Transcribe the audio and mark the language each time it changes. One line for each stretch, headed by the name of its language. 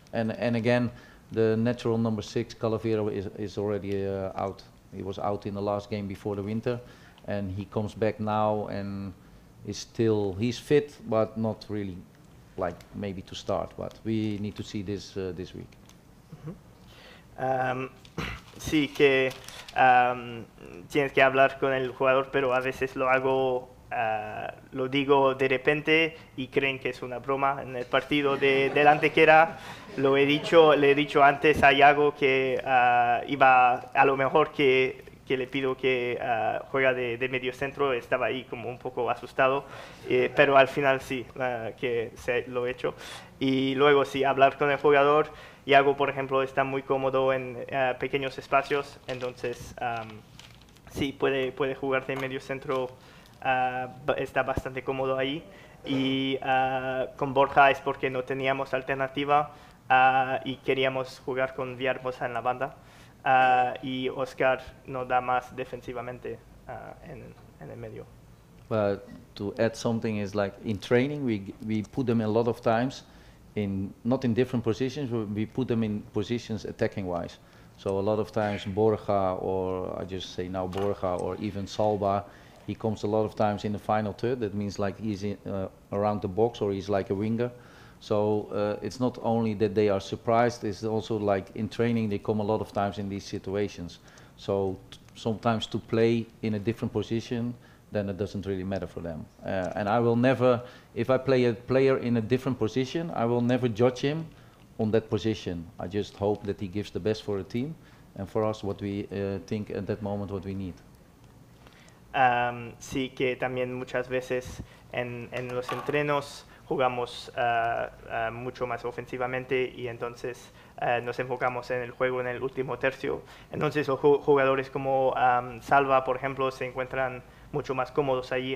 English: And again, the natural number six, Calavera, is already out. He was out in the last game before the winter, and he comes back now and he's fit, but not really, like maybe to start. But we need to see this this week. Mm-hmm.
Spanish: Sí, que tienes que hablar con el jugador, pero a veces lo hago, lo digo de repente y creen que es una broma. En el partido de Antequera, le he dicho antes a Iago que iba a lo mejor que le pido que juega de medio centro. Estaba ahí como un poco asustado, pero al final sí, lo he hecho. Y luego sí, hablar con el jugador. Iago, por ejemplo, está muy cómodo en pequeños espacios, entonces sí, puede jugar de medio centro, está bastante cómodo ahí. Y con Borja es porque no teníamos alternativa y queríamos jugar con Villahermosa en la banda. Y Oscar no da más defensivamente en el medio.
English: But to add something is like in training we put them a lot of times in not in different positions, but we put them in positions attacking wise. So a lot of times Borja, or I just say now Borja, or even Salba, he comes a lot of times in the final third. That means like he's in, around the box, or he's like a winger. So it's not only that they are surprised, it's also like in training they come a lot of times in these situations. So sometimes to play in a different position, then it doesn't really matter for them. And I will never, if I play a player in a different position, I will never judge him on that position. I just hope that he gives the best for the team and for us what we think at that moment what we need.
Spanish: Sí, que también muchas veces en los entrenos jugamos mucho más ofensivamente y entonces nos enfocamos en el juego en el último tercio. Entonces los jugadores como Salva, por ejemplo, se encuentran mucho más cómodos allí.